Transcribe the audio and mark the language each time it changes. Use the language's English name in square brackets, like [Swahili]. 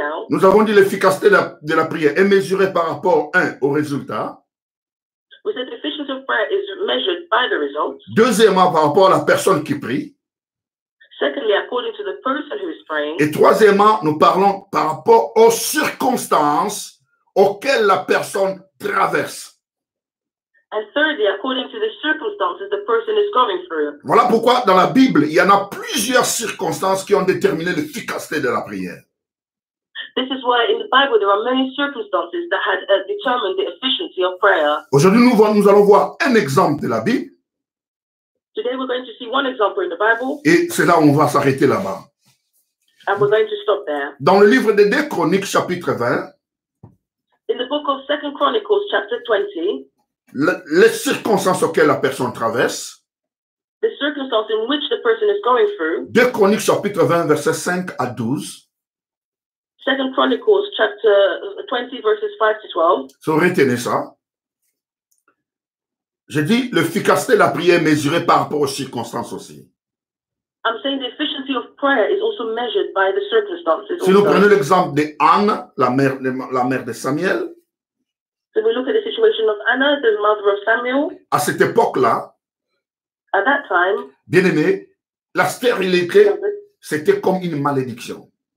[French] Nous avons dit l'efficacité de la prière est mesurée par rapport, un, au résultat. [English] We said the efficiency of prayer is measured by the results. [French] Deuxièmement, par rapport à la personne qui prie. [English] Secondly, according to the person who is praying. [French] Et troisièmement, nous parlons par rapport aux circonstances auxquelles la personne traverse. [English] And thirdly, according to the circumstances the person is going through. [French] Voilà pourquoi dans la Bible, il y en a plusieurs circonstances qui ont déterminé l'efficacité de la prière. [English] This is why in the Bible there are many circumstances that had determined the efficiency of prayer. [French] Aujourd'hui nous allons voir un exemple de la Bible. [English] Today we're going to see one example in the Bible. [French] Et c'est là où on va s'arrêter là-bas. [English] And we're going to stop there. [French] Dans le livre de 2 Chroniques chapitre 20. [English] In the book of 2 Chronicles chapter 20. [French] Les circonstances auxquelles la personne traverse. [English] The circumstances in which the person is going through. [French] 2 Chroniques chapitre 20 versets 5 à 12. [English] 2 Chronicles, chapter 20, verses 5 to 12. So, [French] retenez ça. Je dis, l'efficacité de la prière est mesurée par rapport aux circonstances aussi. [English] I'm saying the efficiency of prayer is also measured by the circumstances. [French] Si nous prenons l'exemple de Anne, la mère de Samuel. [English] So, we look at the situation of Anna, the mother of Samuel. [French] À cette époque-là. [English] At that time. [French] Bien-aimée, la stérilité, c'était comme une malédiction.